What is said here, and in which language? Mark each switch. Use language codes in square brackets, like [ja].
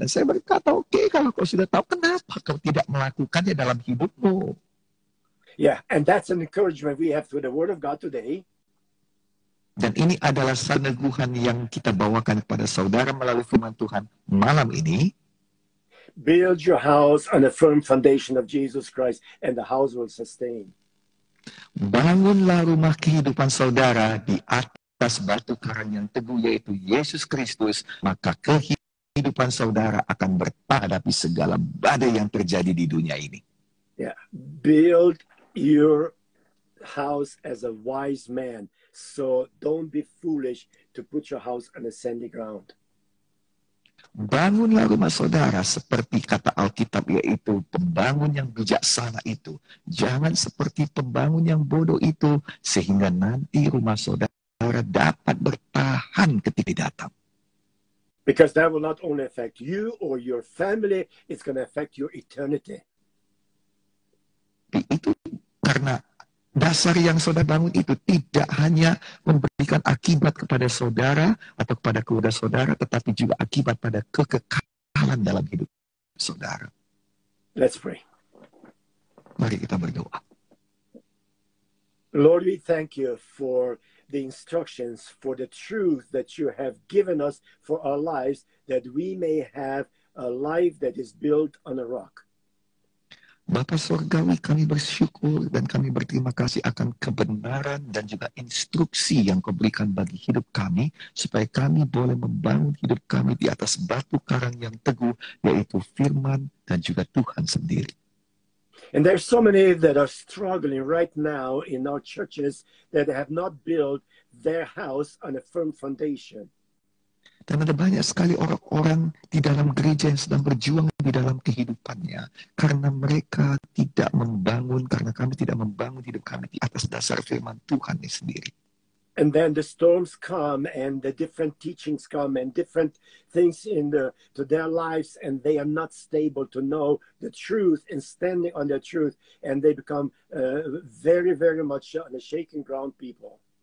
[id] Dan saya berkata, "Oke, kalau kau sudah tahu, kenapa kau tidak melakukannya dalam hidupmu?" [en] Yeah, and that's an encouragement we have through the Word of God today. [id] Dan ini adalah saneguhan yang kita bawakan kepada saudara melalui firman Tuhan malam ini. [en] Build your house on a firm foundation of Jesus Christ, and the house will sustain. [id] Bangunlah rumah kehidupan saudara di atas batu karang yang teguh, yaitu Yesus Kristus, maka kehidupan saudara akan bertahan segala badai yang terjadi di dunia ini. [en] Yeah, build your house as a wise man. So don't be foolish to put your house on a sandy ground. [id] Bangunlah rumah saudara seperti kata Alkitab, yaitu pembangun yang bijaksana itu. Jangan seperti pembangun yang bodoh itu, sehingga nanti rumah saudara dapat bertahan ketika datang. [en] Because that will not only affect you or your family, it's going to affect your eternity. [id] Itu karena dasar yang saudara bangun itu tidak hanya memberikan akibat kepada saudara atau kepada keluarga saudara, tetapi juga akibat pada kekekalan dalam hidup saudara. [en] Let's pray. [id] Mari kita berdoa. [en] Lord, we thank you for the instructions, for the truth that you have given us for our lives, that we may have a life that is built on a rock. [id] Bapa Surgawi, kami bersyukur dan kami berterima kasih akan kebenaran dan juga instruksi yang kau berikan bagi hidup kami, supaya kami boleh membangun hidup kami di atas batu karang yang teguh, yaitu firman dan juga Tuhan sendiri. [en] And there are so many that are struggling right now in our churches that have not built their house on a firm foundation. [id] Dan ada banyak sekali orang-orang di dalam gereja yang sedang berjuang di dalam kehidupannya, karena mereka tidak membangun, karena kami tidak membangun hidup kami di atas dasar firman Tuhan ini sendiri. [en] And then the storms come and the different teachings come and different things in the to their lives, and they are not stable to know the truth and standing on their truth, and they become very, very much on a shaking ground people.